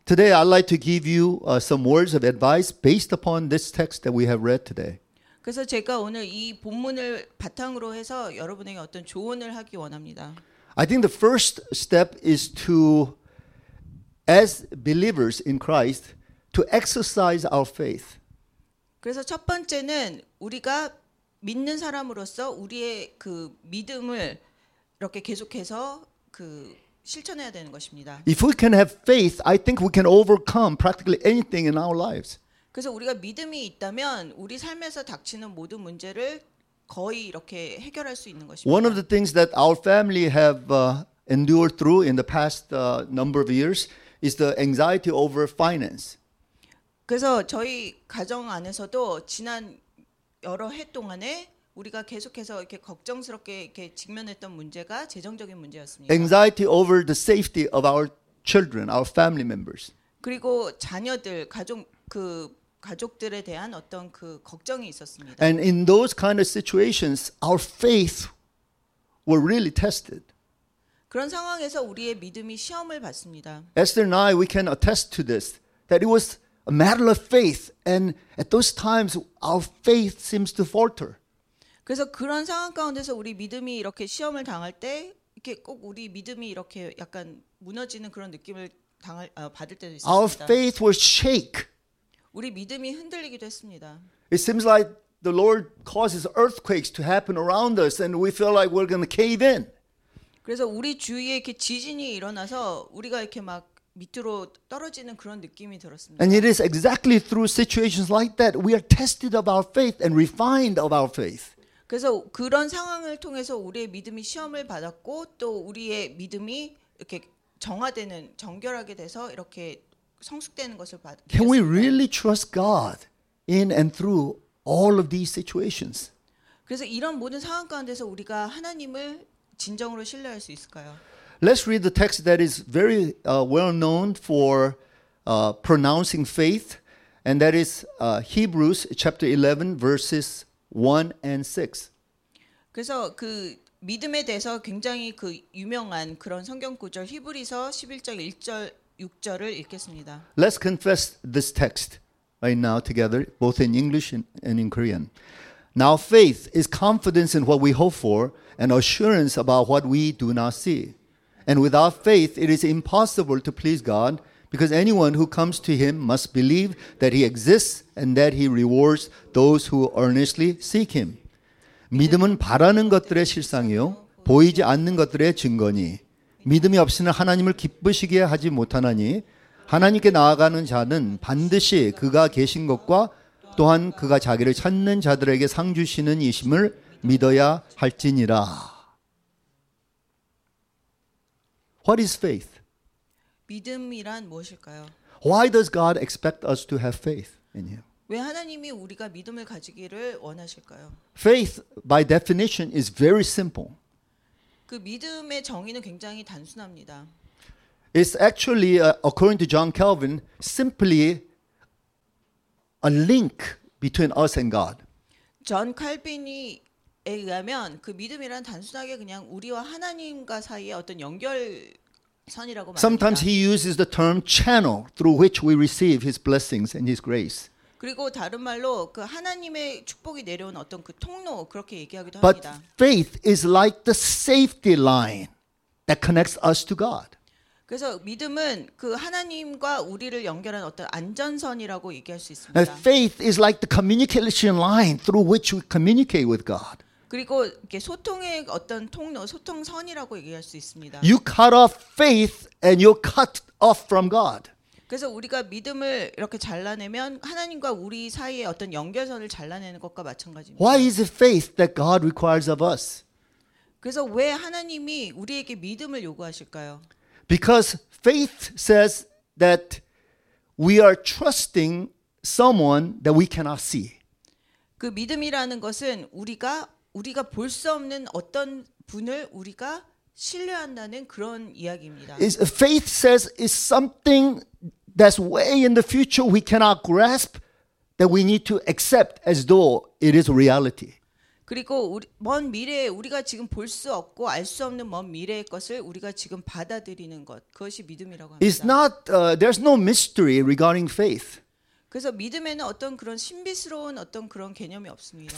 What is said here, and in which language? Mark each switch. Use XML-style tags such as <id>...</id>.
<en>Today I'd like to give you some words of advice based upon this text that we have read today.</en> <ko>그래서 제가 오늘 이 본문을 바탕으로 해서 여러분에게 어떤 조언을 하기 원합니다.</ko> <en>I think the first step is to, as believers in Christ, to exercise our faith.</en> <ko>그래서 첫 번째는 우리가 믿는 사람으로서 우리의 그 믿음을 이렇게 계속해서 그 실천해야 되는 것입니다.</ko> <en>If we can have faith, I think we can overcome practically anything in our lives.</en> <ko>그래서 우리가 믿음이 있다면 우리 삶에서 닥치는 모든 문제를 거의 이렇게 해결할 수 있는 것입니다.</ko> <en>One of the things that our family have endured through in the past number of years is the anxiety over finance.</en> <ko>그래서 저희 가정 안에서도 지난 여러 해 동안에 우리가 계속해서 이렇게 걱정스럽게 이렇게 직면했던 문제가 재정적인 문제였습니다.</ko> <en>Anxiety over the safety of our children, our family members.</en> <ko>그리고 자녀들, 가족 그 가족들에 대한 어떤 그 걱정이 있었습니다.</ko> <en>And in those kind of situations, our faith were really tested.</en> <ko>그런 상황에서 우리의 믿음이 시험을 받습니다.</ko> <en>Esther and I, we can attest to this, that it was a matter of faith, and at those times, our faith seems to falter.</en> <ko>그래서 그런 상황 가운데서 우리 믿음이 이렇게 시험을 당할 때, 이렇게 꼭 우리 믿음이 이렇게 약간 무너지는 그런 느낌을 받을 때도 있습니다.</ko> <en>Our faith was shaken.</en> <ko>우리 믿음이 흔들리기도 했습니다.</ko> <en>It seems like the Lord causes earthquakes to happen around us and we feel like we're going to cave in.</en> <ko>그래서 우리 주위에 이렇게 지진이 일어나서 우리가 이렇게 막 밑으로 떨어지는 그런 느낌이 들었습니다.</ko> <en>And it is exactly through situations like that we are tested of our faith and refined of our faith.</en> <ko>그래서 그런 상황을 통해서 우리의 믿음이 시험을 받았고 또 우리의 믿음이 이렇게 정화되는 정결하게 돼서 이렇게 성숙되는 것을</ko> <en>Can we really trust God in and through all of these situations?</en> <ko>그래서 이런 모든 상황 가운데서 우리가 하나님을 진정으로 신뢰할 수 있을까요?</ko> <en>Let's read the text that is very well known for pronouncing faith, and that is Hebrews chapter 11 verses 1 and 6.</en> <ko>그래서 그 믿음에 대해서 굉장히 그 유명한 그런 성경 구절 히브리서 11장 1절 6절을 읽겠습니다.</ko> <en>Let's confess this text right now together, both in English and in Korean. Now faith is confidence in what we hope for and assurance about what we do not see. And without faith, it is impossible to please God because anyone who comes to him must believe that he exists and that he rewards those who earnestly seek him.</en> <ko>믿음은 바라는 것들의 실상이요, 보이지 않는 것들의 증거니. 믿음이 없이는 하나님을 기쁘시게 하지 못하나니 하나님께 나아가는 자는 반드시 그가 계신 것과 또한 그가 자기를 찾는 자들에게 상 주시는 이심을 믿어야 할지니라.</ko> <en>What is faith?</en> <ko>믿음이란 무엇일까요?</ko> <en>Why does God expect us to have faith in him?</en> <ko>왜 하나님이 우리가 믿음을 가지기를 원하실까요?</ko> <en>Faith by definition is very simple.</en> <ko>그 믿음의 정의는 굉장히 단순합니다.</ko> <en>It's actually, according to John Calvin, simply a link between us and God.</en> <ko>존 칼빈에 의하면 그 믿음이란 단순하게 그냥 우리와 하나님과 사이의 어떤 연결선이라고 말합니다.</ko> <en>Sometimes he uses the term channel through which we receive his blessings and his grace.</en> <ko>그리고 다른 말로 그 하나님의 축복이 내려온 어떤 그 통로 그렇게 얘기하기도</ko> <en>But</en> <ko>합니다.</ko> <en>But faith is like the safety line that connects us to God.</en> <ko>그래서 믿음은 그 하나님과 우리를 연결한 어떤 안전선이라고 얘기할 수 있습니다.</ko> <en>And faith is like the communication line through which we communicate with God.</en> <ko>그리고 이게 소통의 어떤 통로, 소통선이라고 얘기할 수 있습니다.</ko> <en>You cut off faith and you're cut off from God.</en> <ko>그래서 우리가 믿음을 이렇게 잘라내면 하나님과 우리 사이의 어떤 연결선을 잘라내는 것과 마찬가지입니다.</ko> <en>Why is it faith that God requires of us?</en> <ko>그래서 왜 하나님이 우리에게 믿음을 요구하실까요?</ko> <en>Because faith says that we are trusting someone that we cannot see.</en> <ko>그 믿음이라는 것은 우리가 볼 수 없는 어떤 분을 우리가 신뢰한다는 그런 이야기입니다.</ko> <en>Is faith says is something that's way in the future we cannot grasp that we need to accept as though it is reality.</en> <ko>그리고 먼 미래에 우리가 지금 볼 수 없고 알 수 없는 먼 미래의 것을 우리가 지금 받아들이는 것 그것이 믿음이라고 합니다.</ko> <en>It's not there's no mystery regarding faith.</en> <ko>그래서 믿음에는 어떤 그런 신비스러운 어떤 그런 개념이 없습니다.</ko>